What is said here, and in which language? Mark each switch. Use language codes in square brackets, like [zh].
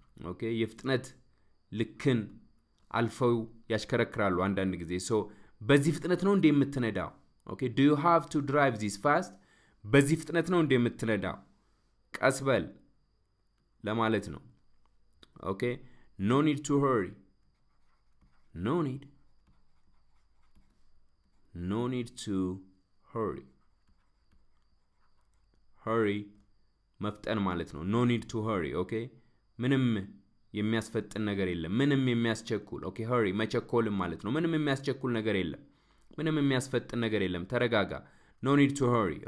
[am] ኦኬ የፍጥነት ልክን አልፈው ያሽከረክራሉ አንዳንድ ጊዜ. ሶ በዚህ ፍጥነት ነው እንደምትነዳው? [en] Okay, do you have to drive this fast? [am] በዚህ ፍጥነት ነው እንደምትነዳ? ቀስ በል ለማለት ነው። [en] Okay, no need to hurry. No need to hurry. Hurry [am] መፍጠን ማለት ነው። [en] No need to hurry. Okay? [am] ምንም የሚያስፈጥን ነገር የለም። ምንም የሚያስቸኩል okay, hurry መቸኮል ማለት ነው። ምንም የሚያስቸኩል ነገር የለም። ምንም የሚያስፈጥን ነገር የለም። ተረጋጋ። [en] No need to hurry.